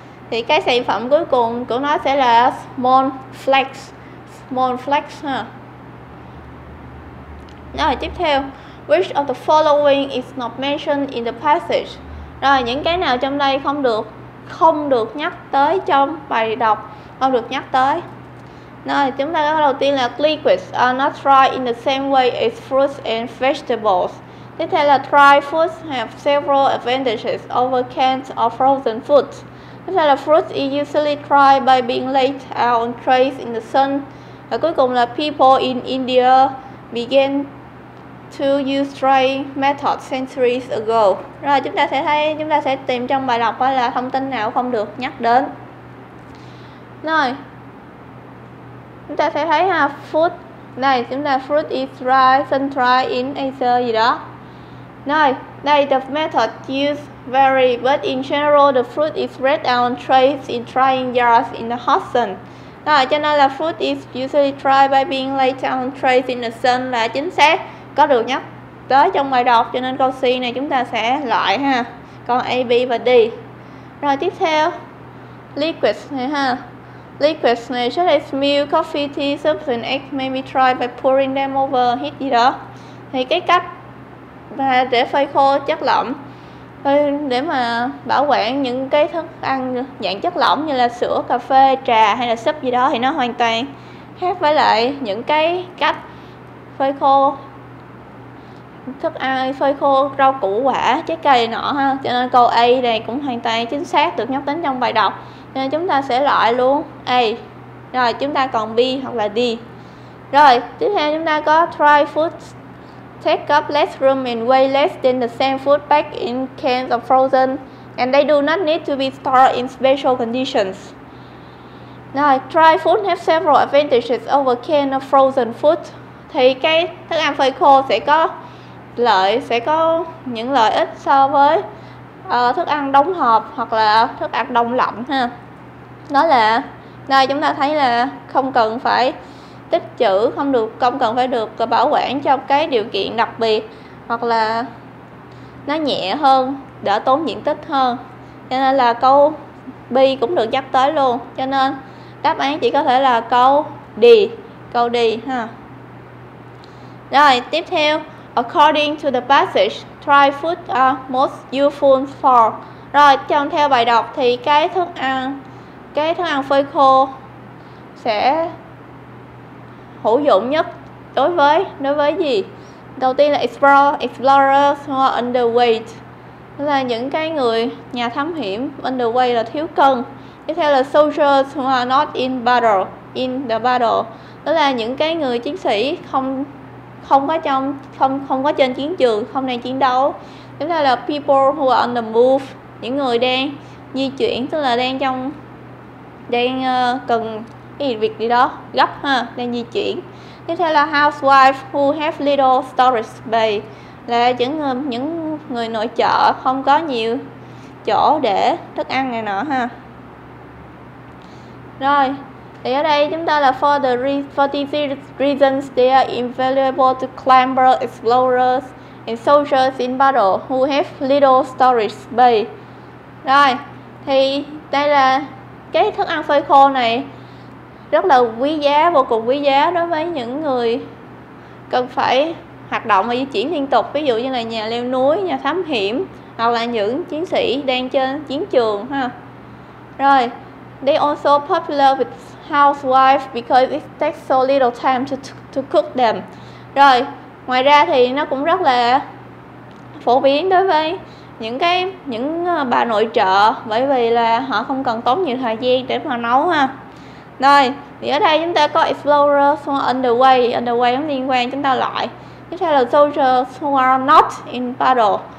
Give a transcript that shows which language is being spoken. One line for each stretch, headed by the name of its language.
Vietnamese: Thì cái sản phẩm cuối cùng của nó sẽ là
English: small flakes
Vietnamese: ha. Rồi tiếp theo,
English: which of the following is not mentioned in the passage?
Vietnamese: Rồi những cái nào trong đây không được nhắc tới trong bài đọc, không được nhắc tới. Rồi chúng ta có đầu tiên là
English: liquids are not dry in the same way as fruits and vegetables.
Vietnamese: Tiếp theo là
English: dry foods have several advantages over canned or frozen foods.
Vietnamese: Tiếp theo là
English: fruits is usually dry by being laid out on trays in the sun.
Vietnamese: Và cuối cùng là
English: people in India began to use dry method centuries ago.
Vietnamese: Rồi chúng ta sẽ thấy, chúng ta sẽ tìm trong bài đọc là thông tin nào không được nhắc đến. Rồi chúng ta sẽ thấy ha, food này chúng ta
English: fruit is dry, sun dry in Asia
Vietnamese: gì đó. Rồi đây
English: the method used vary, but in general the fruit is spread out on trays in drying yards in the hot sun.
Vietnamese: Rồi cho nên là
English: fruit is usually dry by being laid out on trays in the sun
Vietnamese: là chính xác, có được nhắc tới trong bài đọc, cho nên câu C này chúng ta sẽ loại ha, còn A, B và D. Rồi tiếp theo
English: liquids này ha. Liquids này, such as milk, coffee, tea, soups and eggs may be dry by pouring them over heat
Vietnamese: gì đó. Thì cái cách mà để phơi khô chất lỏng, để mà bảo quản những cái thức ăn dạng chất lỏng như là sữa, cà phê, trà hay là súp gì đó thì nó hoàn toàn khác với lại những cái cách phơi khô thức ăn, phơi khô rau củ quả, trái cây nọ ha. Cho nên câu A này cũng hoàn toàn chính xác, được nhắc đến trong bài đọc, nên chúng ta sẽ loại luôn A. Rồi chúng ta còn B hoặc là D. Rồi tiếp theo chúng ta có
English: dry foods take up less room and weigh less than the same food back in cans or frozen and they do not need to be stored in special conditions. Rồi dry food have several advantages over canned or frozen food.
Vietnamese: Thì cái thức ăn phơi khô sẽ có lợi, sẽ có những lợi ích so với thức ăn đóng hộp hoặc là thức ăn đông lạnh ha. Đó là đây chúng ta thấy là không cần phải tích trữ, không cần phải được bảo quản trong cái điều kiện đặc biệt, hoặc là nó nhẹ hơn, đỡ tốn diện tích hơn. Cho nên là câu B cũng được nhắc tới luôn. Cho nên đáp án chỉ có thể là câu D ha. Rồi, tiếp theo,
English: according to the passage, dry food are most useful for.
Vietnamese: Rồi, trong theo bài đọc thì cái thức ăn phơi khô sẽ hữu dụng nhất đối với gì? Đầu tiên là
English: explorers who are underweight.
Vietnamese: Tức là những cái người nhà thám hiểm, underweight là thiếu cân. Tiếp theo là
English: soldiers who are not in the battle.
Vietnamese: Tức là những cái người chiến sĩ không có trên chiến trường, không đang chiến đấu. Tiếp theo là
English: people who are on the move,
Vietnamese: những người đang di chuyển, tức là đang cần cái việc gì đó gấp ha, đang di chuyển. Tiếp theo là
English: housewife who have little storage space,
Vietnamese: là những người nội trợ không có nhiều chỗ để thức ăn này nọ ha. Rồi thì ở đây chúng ta là
English: for these reasons they are invaluable to climber, explorers and soldiers in battle who have little storage space.
Vietnamese: Rồi thì đây là cái thức ăn phơi khô này rất là quý giá, vô cùng quý giá đối với những người cần phải hoạt động và di chuyển liên tục, ví dụ như là nhà leo núi, nhà thám hiểm hoặc là những chiến sĩ đang trên chiến trường ha.
English: Rồi they also popular with housewives because it takes so little time to cook them.
Vietnamese: Rồi ngoài ra thì nó cũng rất là phổ biến đối với những bà nội trợ, bởi vì là họ không cần tốn nhiều thời gian để mà nấu ha. Rồi thì ở đây chúng ta có
English: explorers who are underway
Vietnamese: cũng liên quan, chúng ta loại. Tiếp theo là
English: soldiers who are not in battle,